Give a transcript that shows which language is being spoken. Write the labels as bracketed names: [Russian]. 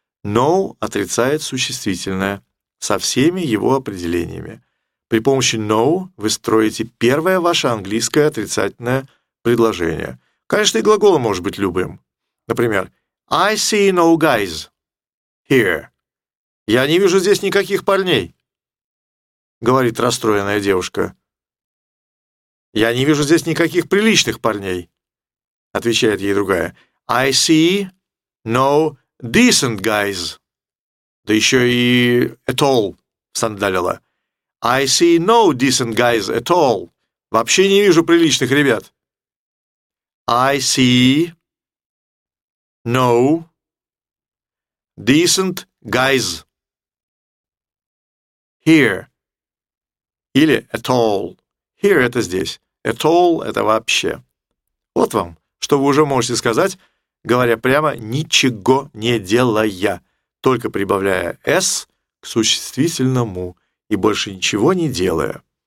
[Russian] No отрицает существительное со всеми его определениями. При помощи no вы строите первое ваше английское отрицательное предложение. Конечно, и глагол может быть любым. Например, [English] I see no guys here. [Russian] Я не вижу здесь никаких парней, говорит расстроенная девушка. Я не вижу здесь никаких приличных парней, отвечает ей другая. [English] I see no decent guys. [Russian] Да еще и [English] at all, [Russian] сандалила. [English] I see no decent guys at all. [Russian] Вообще не вижу приличных ребят. [English] I see no decent guys here. [Russian] Или [English] at all. [Russian] Here это здесь. At all это вообще. Вот вам, что вы уже можете сказать, говоря прямо ничего не делая, только прибавляя s к существительному и больше ничего не делая.